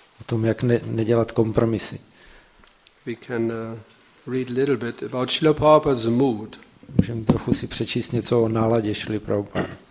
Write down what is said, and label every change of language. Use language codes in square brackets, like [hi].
[cs] O tom, jak nedělat kompromisy. [en] We can read a little bit about Srila Prabhupada's mood. [cs] Můžeme trochu si přečíst něco o náladě Srila Prabhupada.